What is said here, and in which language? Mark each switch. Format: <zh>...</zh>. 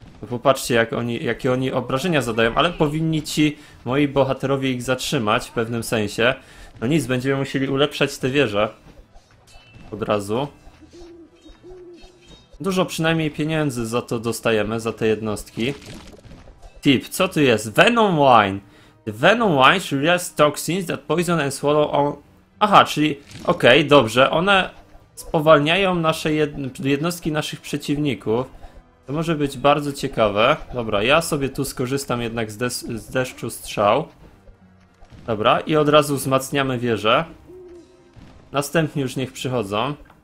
<pl>Popatrzcie, jakie oni obrażenia zadają, ale powinni ci moi bohaterowie ich zatrzymać w pewnym sensie. No nic, będziemy musieli ulepszać te wieże od razu. Dużo przynajmniej pieniędzy za to dostajemy, za te jednostki. Tip, co tu jest? Venom Wine.</pl> <en>The Venom Wine releases toxins that poison and swallow all...</en> <pl>Aha, czyli okej, okay, dobrze, one spowalniają nasze jednostki naszych przeciwników. To może być bardzo ciekawe. Dobra, ja sobie tu skorzystam jednak z deszczu strzał. Dobra, i od razu wzmacniamy wieżę. Następnie już niech przychodzą.</pl>